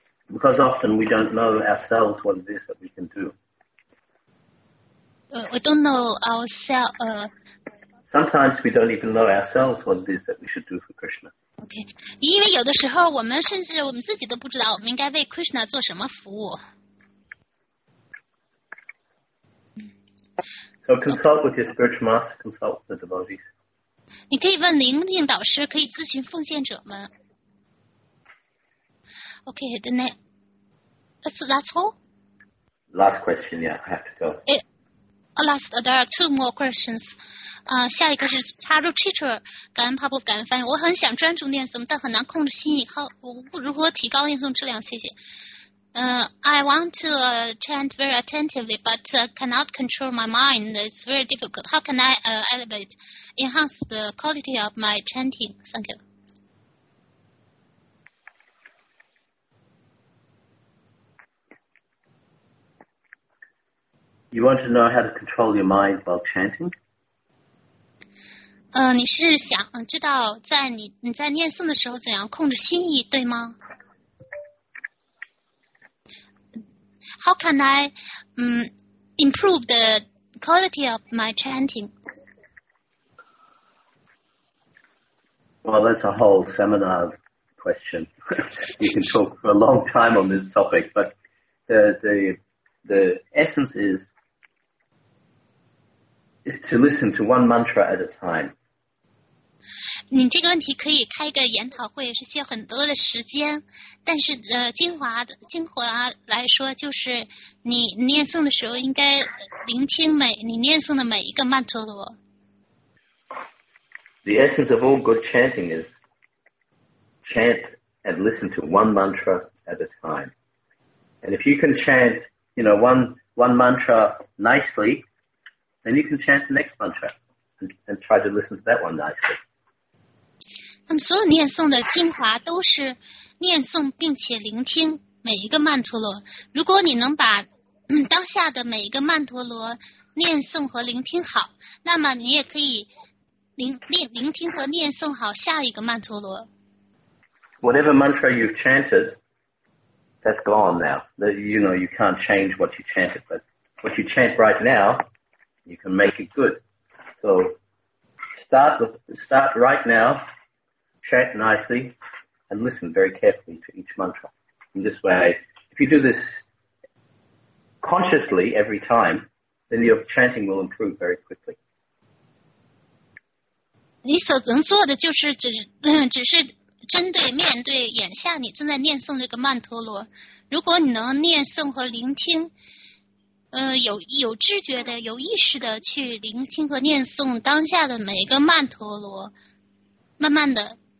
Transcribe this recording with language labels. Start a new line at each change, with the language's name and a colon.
English: Because often we don't know ourselves what it is that we can do. We don't know ourselves. Sometimes we don't even know ourselves what it is that we should do for Krishna. Okay.
Chinese: 因为有的时候我们甚至我们自己都不知道我们应该为 Krishna 做什么服务。
English: So consult with your spiritual master, consult with the devotees.
Chinese: 你可以问灵性导师，可以咨询奉献者们。
English: Okay, the next. That's all? Last question, yeah, I have to go. There are two more questions.
Chinese: 下一个是插入 teacher, 感恩帕布感恩翻译。我很想专注念诵，但很难控制心意。如何提高念诵质量？谢谢。
English: I want to chant very attentively, but cannot control my mind. It's very difficult. How can I enhance the quality of my chanting? Thank you. You want to know how to control your mind while chanting?
Chinese: 你是想知道在你在念诵的时候怎样控制心意，对吗？
English: How can I improve the quality of my chanting? Well, that's a whole seminar question. We can talk for a long time on this topic, but the essence is is to listen to one mantra at a time.
Chinese: 你这个问题可以开一个研讨会，是需要很多的时间。但是精华来说，就是你念诵的时候应该聆听你念诵的每一个曼陀罗。
English: The essence of all good chanting is chant and listen to one mantra at a time. And if you can chant, you know, one mantra nicely, then you can chant the next mantra and try to listen to that one nicely.
Chinese: 那么所有念诵的精华都是念诵并且聆听每一个曼陀罗。如果你能把当下的每一个曼陀罗念诵和聆听好，那么你也可以 聆听和念诵好下一个曼陀罗。
English: Whatever mantra you've chanted, that's gone now. You know, you can't change what you chanted, but what you chant right now, you can make it good. So start right now. Chant nicely and listen very carefully to each mantra. In this way, if you do this consciously every time, then your chanting will improve very quickly.
Chinese: 你所能做的就是只是针对面对眼下你正在念诵这个曼陀罗。如果你能念诵和聆听，有知觉的、有意识的去聆听和念诵当下的每一个曼陀罗，慢慢的。